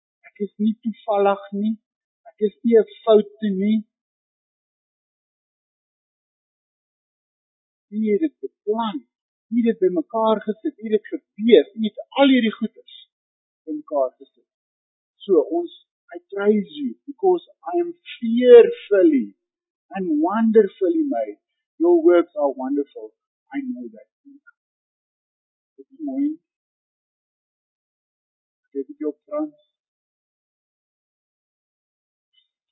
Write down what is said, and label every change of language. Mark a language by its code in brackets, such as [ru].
[af] Ek is nie toevallig nie, ek is nie 'n foute nie. U het dit beplan, U het dit bymekaar gesit, U het dit geweef, U het al hierdie goeders bymekaar gesit. So, ons, [en] I praise you, because I am fearfully and wonderfully made. Your works are wonderful, I know that. [af] Mooi. Dit is jou Frans.